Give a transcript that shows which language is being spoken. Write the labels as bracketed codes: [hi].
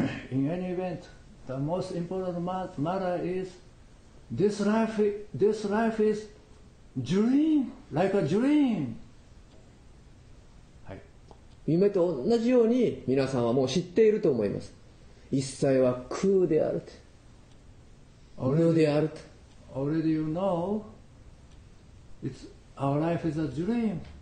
[en] In any event, the most important matter is this life is dream, like a dream. [ja] はい、夢と同じように皆さんはもう知っていると思います。一切は空であると、無であると。 [en] Already you know, it's our life is a dream.